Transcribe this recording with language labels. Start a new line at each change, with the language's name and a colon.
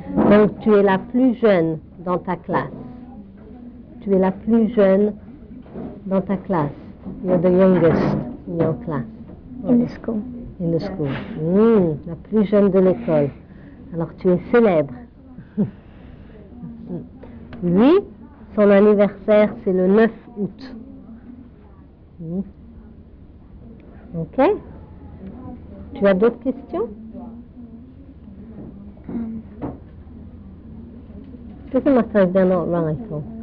French: Donc tu es la plus jeune dans ta classe. Tu es la plus jeune dans ta classe.
English: You're the youngest in your class. In the school. In the school.
French: La plus jeune de l'école. Alors tu es célèbre. Lui, son anniversaire, c'est le 9 août. Ok? Tu as d'autres questions?
English: Look at what I've done all right for.